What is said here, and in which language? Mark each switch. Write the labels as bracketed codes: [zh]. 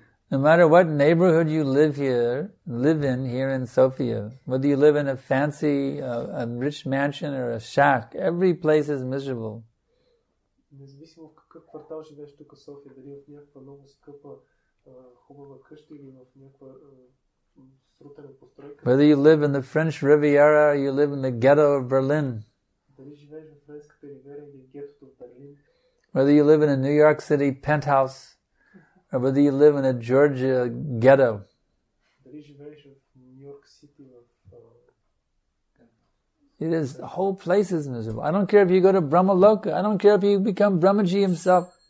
[en] No matter what neighborhood you live in here in Sofia, whether you live in a fancy, a rich mansion or a shack, every place is miserable. [bg] Независимо в какъв квартал живееш тук в София, дали в някаква много скъпа, хубава къща или в някаква срутена постройка. [en] Whether you live in the French Riviera or you live in the ghetto of Berlin. [bg] Дали живееш в Френската ривиера или в гетото в Берлин. [en] Whether you live in a New York City penthouse or whether you live in a Georgia ghetto. [bg] Дали живееш в Нью Йорк Сити в... [en] It is, the whole place is miserable. I don't care if you go to Brahma Loka. I don't care if you become Brahmaji himself.